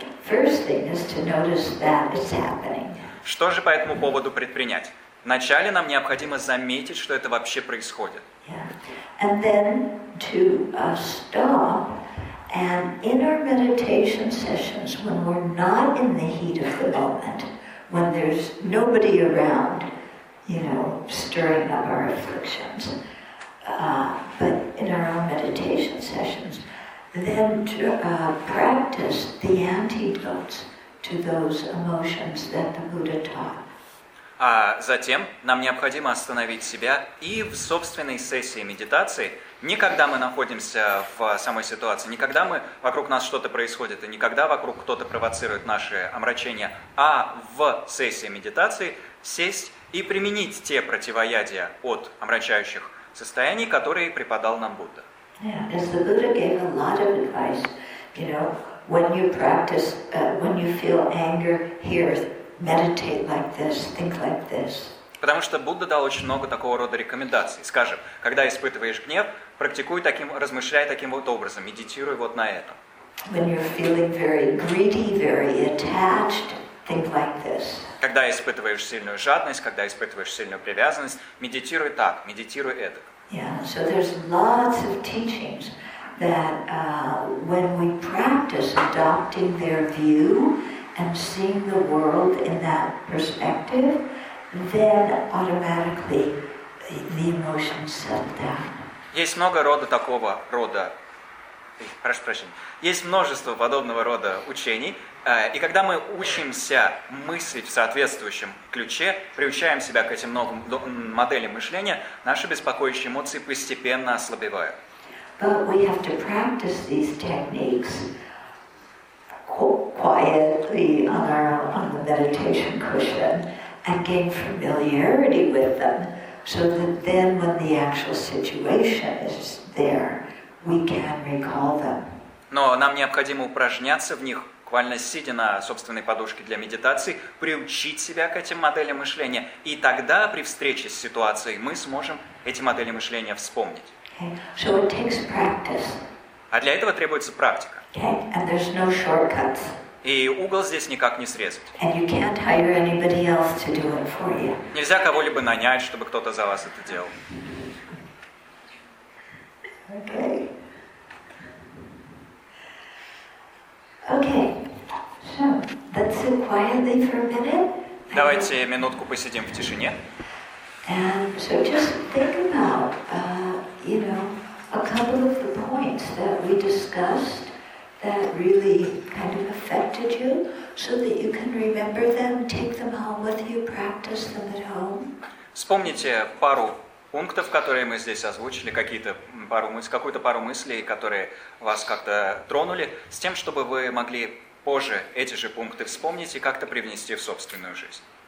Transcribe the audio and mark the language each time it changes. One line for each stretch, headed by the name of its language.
English: First thing is to notice that it's happening.
Russian: Что же по этому поводу предпринять? Вначале нам необходимо заметить, что это вообще происходит.
English: Yeah. And then to stop. And in our meditation sessions, when we're not in the heat of the moment, when there's nobody around, you know, stirring up our afflictions, but in our own meditation sessions, then to practice the antidotes to those emotions that the Buddha taught.
Russian: А затем нам необходимо остановить себя и в собственной сессии медитации. Не когда мы находимся в самой ситуации, не когда мы вокруг нас что-то происходит, и не когда вокруг кто-то провоцирует наши омрачения, а в сессии медитации сесть и применить те противоядия от омрачающих состояний, которые преподал нам Будда.
English: Yeah, as the Buddha gave a lot of advice, you know, when you practice, when you feel anger here, meditate like this, think like this.
Russian: Потому что Будда дал очень много такого рода рекомендаций. Скажем, когда испытываешь гнев, практикуй таким, размышляй таким вот образом, медитируй вот на этом.
English: When you're feeling very greedy, very attached, think like this.
Russian: Когда испытываешь сильную жадность, когда испытываешь сильную привязанность, медитируй так, медитируй эдак.
English: Yeah, so there's lots of teachings that when we practice adopting their view and seeing the world in that perspective, then automatically the emotions settle down.
Russian: Есть много рода такого рода. Прошу прощения. Есть множество подобного рода учений, и когда мы учимся мыслить в соответствующем ключе, приучаем себя к этим новым моделям мышления, наши беспокоящие эмоции постепенно ослабевают.
English: But we have to practice these techniques quietly on our own, on the meditation cushion, and gain familiarity with them, so that then when the actual situation is there, we can recall them.
Russian: Но нам необходимо упражняться в них, буквально сидя на собственной подушке для медитации, приучить себя к этим моделям мышления, и тогда при встрече с ситуацией мы сможем эти модели мышления вспомнить.
English: Okay. So it takes practice.
Russian: А для этого требуется практика.
English: Okay. And there's no shortcuts.
Russian: И угол здесь никак не срезать.
English: And you can't hire anybody else to do it for you.
Russian: Нельзя кого-либо нанять, чтобы кто-то за вас это делал.
English: Okay, so let's sit quietly for a minute.
Russian: Давайте минутку посидим в тишине.
English: And so just think about, you know, a couple of the points that we discussed that really kind of affected you, so that you can remember them, take them home with you, practice them at home.
Russian: Вспомните пару пунктов, которые мы здесь озвучили, какую-то пару мыслей, которые вас как-то тронули, с тем, чтобы вы могли позже эти же пункты вспомнить и как-то привнести в собственную жизнь.